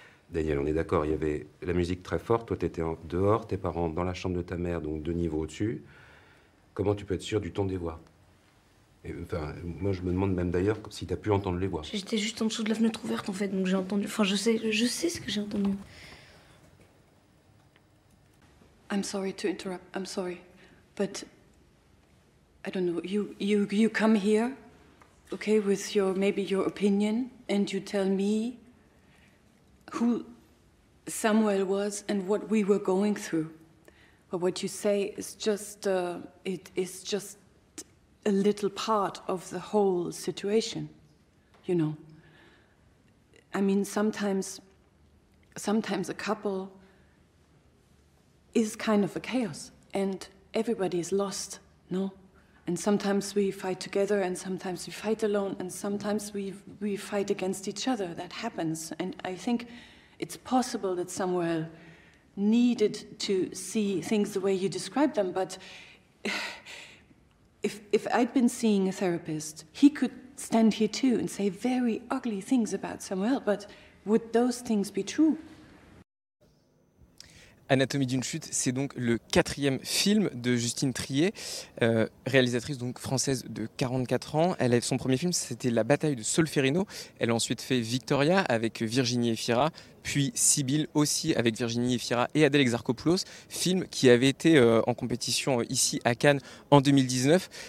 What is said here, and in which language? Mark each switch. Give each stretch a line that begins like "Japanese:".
French: Daniel, on est d'accord, il y avait la musique très forte, toi t'étais dehors, tes parents dans la chambre de ta mère, donc deux niveaux au-dessus. Comment tu peux être sûr du ton des voix? Et, enfin, moi je me demande même d'ailleurs si t'as pu entendre les voix. J'étais juste en dessous de la fenêtre ouverte en fait, donc j'ai entendu, enfin je sais ce que j'ai entendu.
English: I'm sorry to interrupt, I'm sorry, but I don't know, you come here, okay, with your, maybe your opinion, and you tell me who Samuel was and what we were going through. But what you say is just, it is just a little part of the whole situation, you know. I mean, sometimes a couple is kind of a chaos and everybody is lost, no? And sometimes we fight together and sometimes we fight alone and sometimes we fight against each other, that happens. And I think it's possible that Samuel needed to see things the way you describe them, but if I'd been seeing a therapist, he could stand here too and say very ugly things about Samuel, but would those things be true?
French: Anatomie d'une chute, c'est donc le quatrième film de Justine Triet, réalisatrice donc française de 44 ans. Elle a son premier film, c'était La bataille de Solferino. Elle a ensuite fait Victoria avec Virginie Efira, puis Sibyl aussi avec Virginie Efira et Adèle Exarchopoulos, film qui avait été en compétition ici à Cannes en 2019.